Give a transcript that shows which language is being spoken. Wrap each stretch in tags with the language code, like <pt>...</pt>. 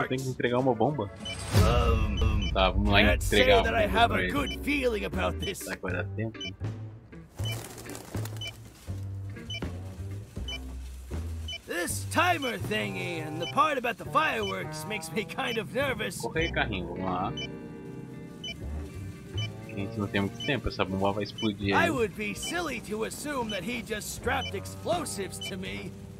<pt>Nossa, tem que entregar uma bomba? Tá, vamos lá entregar uma bomba.</pt> <en>I have a good feeling about this.</en> <pt>Será que vai dar tempo?</pt> <en>This timer thingy and the part about the fireworks makes me kind of nervous.</en> <pt>Corre, carrinho, vamos lá. Gente, não tem muito tempo, essa bomba vai explodir.</pt> <en>I would be silly to assume that he just strapped explosives to me.</en>